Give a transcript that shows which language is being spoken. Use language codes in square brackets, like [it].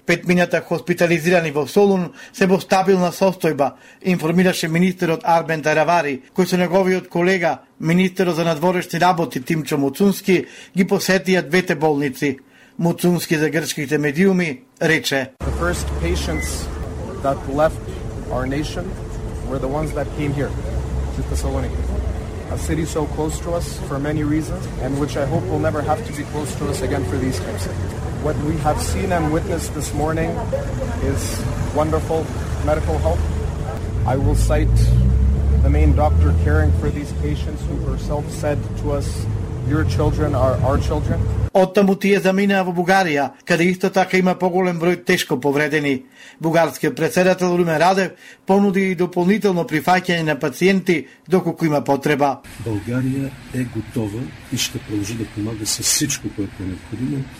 [mk] Петмината хоспитализирани во Солун се во стабилна состојба, информираше министерот Армен Даравари, кој со неговиот колега, министерот за надворешни работи Тимчо Муцунски, ги посетија двете болници. Муцунски за грчките медиуми рече: [en] The first patients that left our nation were the ones that came here to Thessaloniki, a city so close to us for many reasons and which I hope will never have to be close to us again for these times. What we have seen and witnessed this morning is wonderful medical help. I will cite the main doctor caring for these patients who herself said to us, your children are our children. [mk] Оттаму тие заминаа во Бугарија, каде исто така има поголем број тешко повредени. Бугарскиот председател Румен Радев понуди и дополнително прифаќање на пациенти доколку има потреба. [bg] Бугарија е готова и ќе продолжи да помага со сичко кое е необходимо.